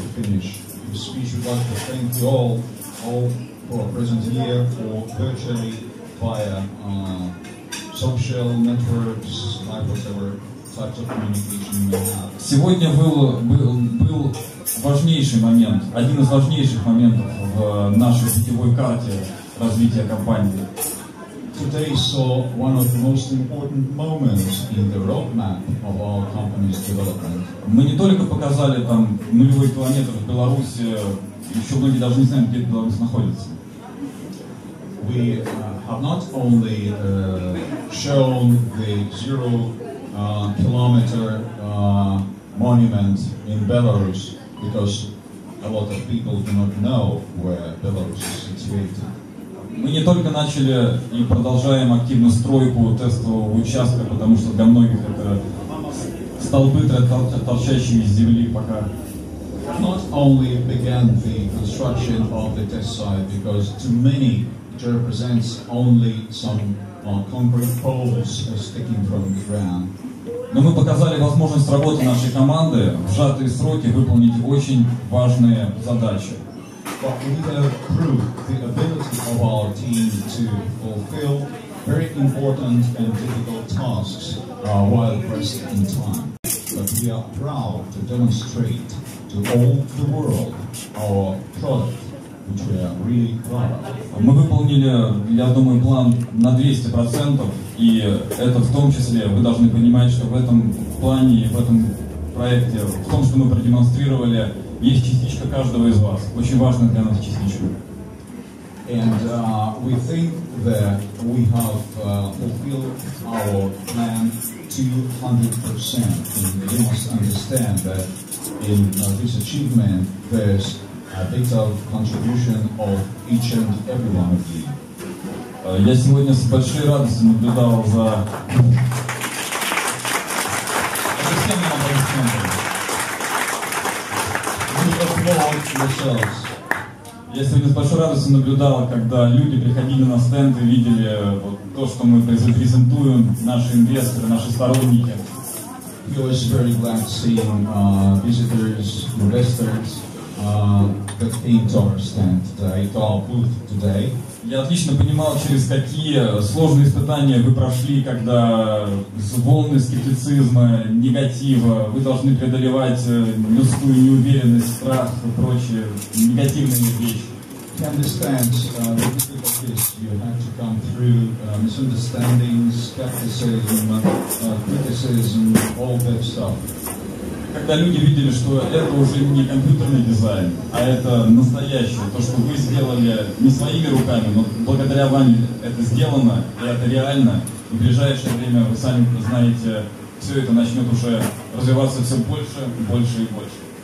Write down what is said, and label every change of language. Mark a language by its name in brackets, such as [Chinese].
[English] Speech would like to thank you all who are present here for virtually via social networks, like whatever types of communication you have. [Russian] Сегодня был важнейший момент, один из важнейших моментов в нашей сетевой карте развития компании. [English] Today saw one of the most important moments in the roadmap of our company's development. [Russian] Мы не только показали там нулевой километр в Беларуси, еще многие даже не знают, где Беларусь находится. [English] We have not only shown the zero kilometer monument in Belarus, because a lot of people do not know where Belarus is situated. [Russian] Мы не только начали и продолжаем активную стройку тестового участка, потому что для многих это столбы, торчащие из земли пока. [English] Not only began the construction of the test site, because to many it represents only some concrete poles sticking from the ground. [Russian] Но мы показали возможность работы нашей команды в сжатые сроки выполнить очень важные задачи. [English] But we have proved the ability of our team to fulfill very important and difficult tasks while pressed in time. But we are proud to demonstrate to all the world our product, which we are really proud of. [Russian] Мы выполнили, я думаю, план на 200%, и это в том числе, вы должны понимать, что в этом плане и в этом проекте, в том, что мы продемонстрировали, есть частичка каждого из вас. Очень важно для нас частичка. [English] And we think that we have fulfilled our plan 200%. And you must understand that in this achievement, there's a bit of contribution of each and every one of you. [Russian] Я сегодня с большой радостью наблюдал за всеми аплодисментами. Я сегодня с большой радостью наблюдал, когда люди приходили на стенд и видели вот то, что мы презентуем, наши инвесторы, наши сторонники. [English] He was very glad seeing visitors, investors, that came to our stand, to our booth today. [Russian] Я отлично понимал, через какие сложные испытания вы прошли, когда с волны скептицизма, негатива, вы должны преодолевать людскую неуверенность, страх и прочие негативные вещи. [English] I understand the difficulties you had to come through, misunderstandings, skepticism, criticism, all that stuff. [Russian] Когда люди видели, что это уже не компьютерный дизайн, а это настоящее, то, что вы сделали не своими руками, но благодаря вам это сделано, и это реально, в ближайшее время, вы сами знаете, все это начнет уже развиваться все больше, больше и больше.